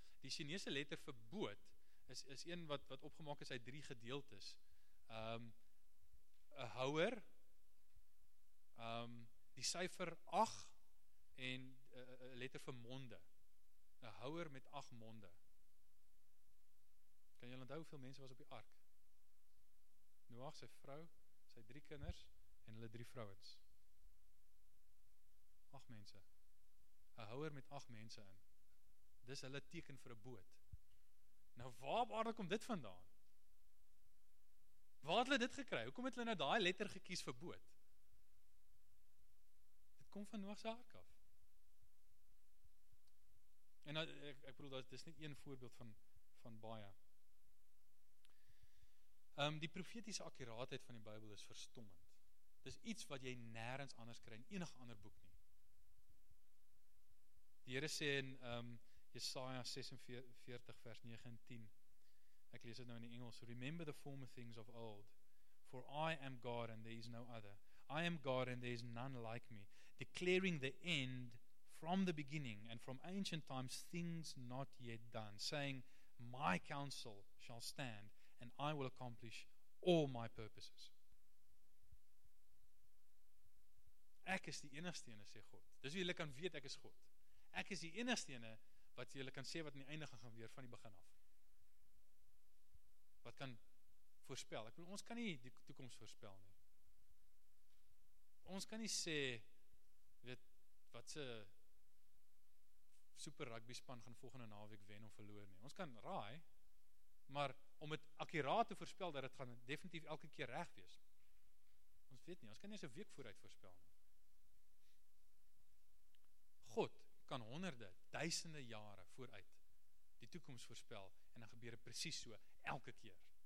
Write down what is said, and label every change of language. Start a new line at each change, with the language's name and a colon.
Afrikaans: Die Chinese letter vir boot is een wat opgemaak is uit drie gedeeltes. 'N houer, die syfer 8 en 'n letter vir monde. 'N houer met 8 monde. Kan jy onthou hoeveel mense was op die ark? Noag, sy vrou, sy drie kinders en hulle drie vrouens. 8 mense. 'N houer met 8 mense in. Dis hulle teken vir 'n boot. Nou waar op aarde kom dit vandaan? Waar het hulle dit gekry? Hoekom het hulle nou daai letter gekies vir boot? Dit kom van Noag se ark af. En nou, ek bedoel, dis net een voorbeeld van baie. Die profetiese akkuraatheid van die Bybel is verstommend. Dis iets wat jy nêrens anders kry in enige ander boek nie. Die Here sê in Jesaja 46 vers 9 en 10. Ek lees dit nou in die Engels.
English: Remember the former things of old, for I am God and there is no other. I am God and there is none like me, declaring the end from the beginning and from ancient times things not yet done, saying, my counsel shall stand and I will accomplish all my purposes.
Afrikaans: Ek is die enigste ene, sê God. Dis hoe jy kan weet ek is God. Ek is die enigste ene wat jy kan sê wat in die einde gaan gebeur van die begin af. Wat kan voorspel? Ek bedoel, ons kan nie die toekoms voorspel nie. Ons kan nie sê, weet, wat se super rugby span gaan volgende naweek wen of verloor nie. Ons kan raai, maar om het akkuraat te voorspel, dat het gaan definitief elke keer reg wees. Ons weet nie, ons kan nie eens 'n week vooruit voorspel nie. God kan honderde, duisende jare vooruit die toekoms voorspel en dan gebeur het precies so, elke keer.